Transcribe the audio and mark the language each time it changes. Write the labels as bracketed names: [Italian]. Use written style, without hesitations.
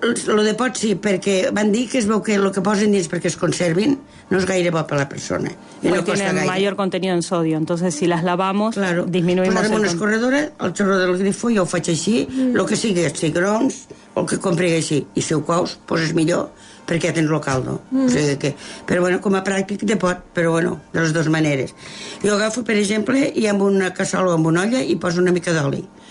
[Catalan] Lo de pot sí, perquè van dir que es veu que lo que posen dins perquè es conservin no és gaire bo per la persona. Pues no costa gaire. [Spanish] Mayor contenido en sodio, entonces si las lavamos, claro. Disminuimos. [Catalan] Posarem una escorredora, [Spanish] el xorro del grifo, [Catalan] jo ho faig així, lo que sigui, els cigrons, el que compri així, i si ho cous, poses millor, perquè ja tens el caldo. O sigui que, però bueno, com a pràctic de pot, però bueno, de les dues maneres. Jo agafo, per exemple, i amb una cassola o amb una olla i poso una mica d'oli.